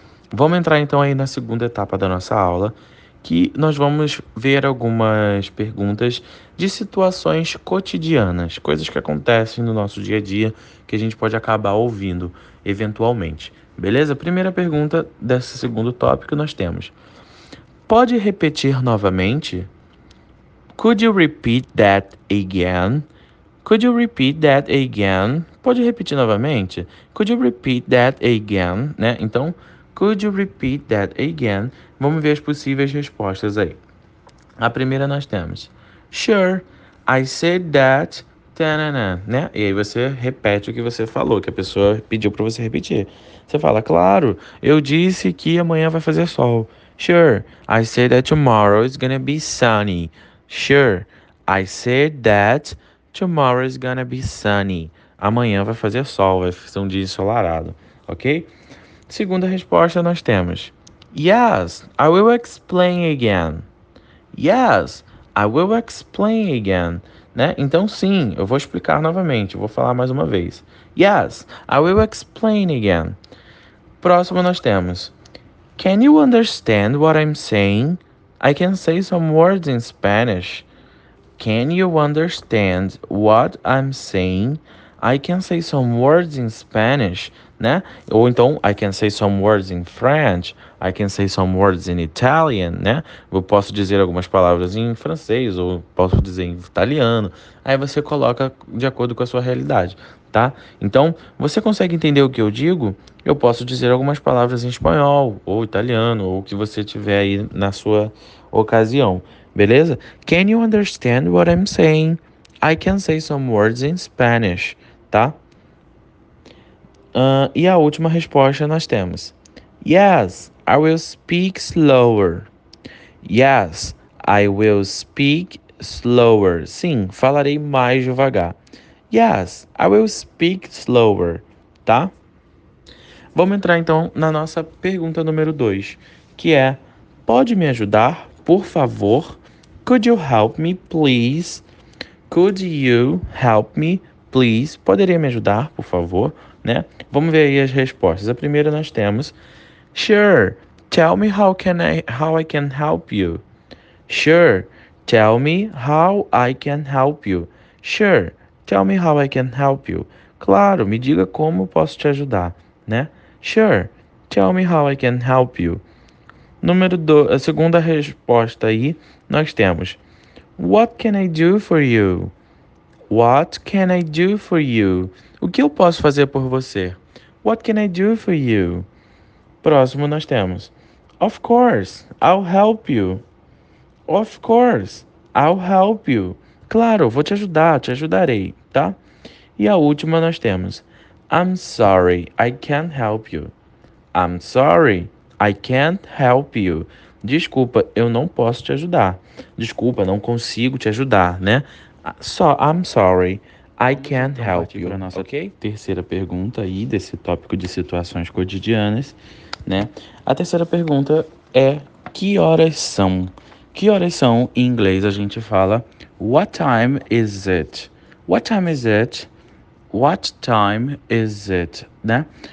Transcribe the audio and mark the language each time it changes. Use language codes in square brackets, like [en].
[pt] Vamos entrar então aí na segunda etapa da nossa aula, que nós vamos ver algumas perguntas de situações cotidianas, coisas que acontecem no nosso dia a dia que a gente pode acabar ouvindo eventualmente. Beleza? Primeira pergunta desse segundo tópico nós temos. Pode repetir novamente? [en] Could you repeat that again? Could you repeat that again? [pt] Pode repetir novamente? [en] Could you repeat that again? [pt] Né? Então, [en] could you repeat that again? [pt] Vamos ver as possíveis respostas aí. A primeira nós temos. [en] Sure, I said that. Ta-na-na, né? [pt] E aí você repete o que você falou, que a pessoa pediu para você repetir. Você fala, claro, eu disse que amanhã vai fazer sol. [en] Sure, I said that tomorrow is gonna be sunny. Sure, I said that tomorrow is gonna be sunny. [pt] Amanhã vai fazer sol, vai ser um dia ensolarado, ok? Segunda resposta nós temos. [en] Yes, I will explain again. Yes, I will explain again. [pt] Né? Então sim, eu vou explicar novamente, eu vou falar mais uma vez. [en] Yes, I will explain again. [pt] Próximo nós temos. [en] Can you understand what I'm saying? I can say some words in Spanish. Can you understand what I'm saying? I can say some words in Spanish, [pt] né? Ou então, [en] I can say some words in French. I can say some words in Italian, né? [pt] Eu posso dizer algumas palavras em francês ou posso dizer em italiano. Aí você coloca de acordo com a sua realidade, tá? Então, você consegue entender o que eu digo? Eu posso dizer algumas palavras em espanhol ou italiano ou o que você tiver aí na sua ocasião, beleza? [en] Can you understand what I'm saying? I can say some words in Spanish, tá? [pt] E a última resposta nós temos. [en] Yes, I will speak slower. Yes, I will speak slower. [pt] Sim, falarei mais devagar. [en] Yes, I will speak slower, tá? [pt] Vamos entrar então na nossa pergunta número 2, que é, pode me ajudar, por favor? [en] Could you help me, please? Could you help me, please? [pt] Poderia me ajudar, por favor, né? Vamos ver aí as respostas. A primeira nós temos. [en] Sure, tell me how I can help you. Sure, tell me how I can help you. Sure, tell me how I can help you. [pt] Claro, me diga como posso te ajudar, né? [en] Sure, tell me how I can help you. [pt] Número 2, a segunda resposta aí, nós temos. [en] What can I do for you? What can I do for you? [pt] O que eu posso fazer por você? [en] What can I do for you? [pt] Próximo nós temos. [en] Of course, I'll help you. Of course, I'll help you. [pt] Claro, vou te ajudar, te ajudarei, tá? E a última nós temos. [en] I'm sorry, I can't help you. I'm sorry, I can't help you. [pt] Desculpa, eu não posso te ajudar. Desculpa, não consigo te ajudar, né? [en] Só, I'm sorry, I can't help you. [pt] Nossa, ok? Terceira pergunta aí desse tópico de situações cotidianas, né? A terceira pergunta é, que horas são? Que horas são, em inglês, a gente fala, [en] what time is it? What time is it? What time is it? Né?